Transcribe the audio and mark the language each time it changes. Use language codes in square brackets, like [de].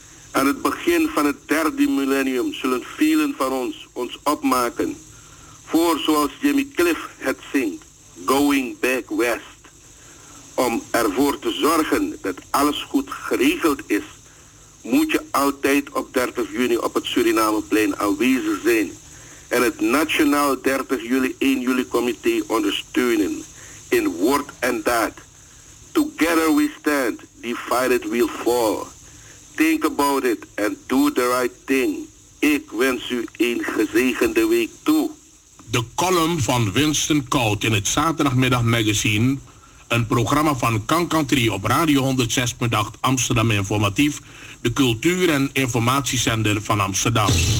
[nl] Aan het begin van het derde millennium zullen velen van ons opmaken voor, zoals Jimmy Cliff het zingt, Going Back West, om ervoor te zorgen dat alles goed geregeld is, moet je altijd op 30 juni op het Surinameplein aanwezig zijn en het Nationaal 30 juli 1 juli comité ondersteunen in woord en daad. [en] Together we stand. Divided will fall. Think about it and do the right thing. [nl] Ik wens u een gezegende week toe. De column van Winston Coutt in het Zaterdagmiddag Magazine, een programma van Kankan 3 op Radio 106.8 Amsterdam Informatief, de cultuur- en informatiezender van Amsterdam.